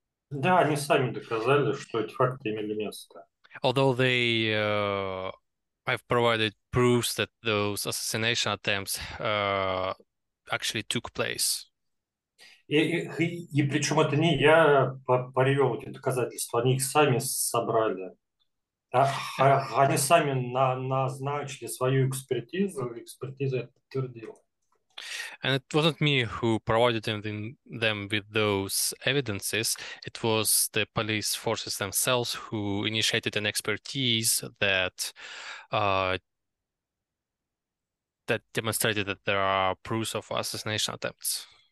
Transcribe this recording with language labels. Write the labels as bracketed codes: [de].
[ru] Да, они сами доказали, что эти факты имели место. [en] Although they have provided proofs that those assassination attempts actually took place. [ru] И причем это не я привел эти доказательства, они их сами собрали. Они сами назначили свою экспертизу, экспертиза подтвердила. [en] And it wasn't me who provided them with those evidences. It was the police forces themselves who initiated an expertise that that demonstrated that there are proofs of assassination attempts.